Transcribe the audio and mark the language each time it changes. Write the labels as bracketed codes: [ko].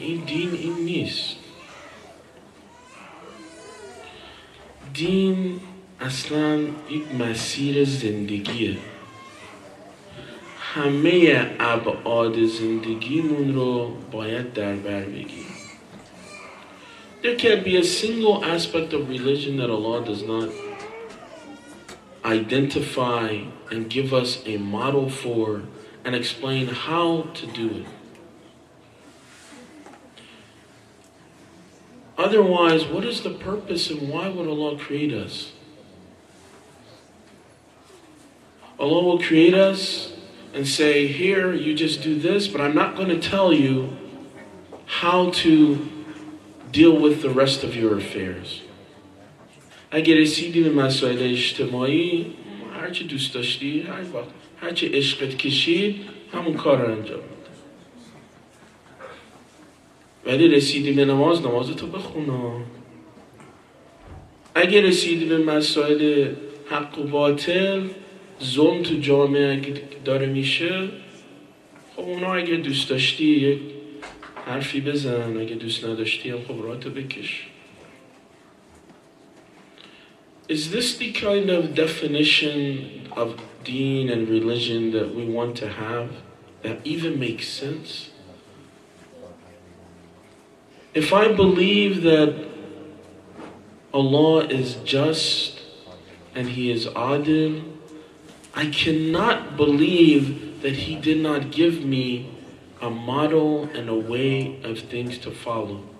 [fa] این دین این نیست. دین اصلا یک مسیر زندگیه. همه ابعاد زندگیمون رو باید در بر بگیریم. [en] There can't be a single aspect of religion that Allah does not identify and give us a model for and explain how to do it. Otherwise, what is the purpose and why would Allah create us? Allah will create us and say, here, you just do this, but I'm not going to tell you how to deal with the rest of your affairs. [fa] اگر رسیدی به مسائل اجتماعی، هر چی دوست داشتی، هر چی عشقت کشید، همون کار رو انجام بده. ولی رسیدی به نماز، نمازتو بخونا. اگر رسیدی به مسائل حق و باطل، ظلم تو جامعه داره میشه، خب اونا اگه دوست داشتی یک حرفی بزن، اگه دوست نداشتی هم خب راحت بکش. [en] Is this the kind of definition of deen and religion that we want to have that even makes sense? If I believe that Allah is just and He is adil, I cannot believe that He did not give me a model and a way of things to follow.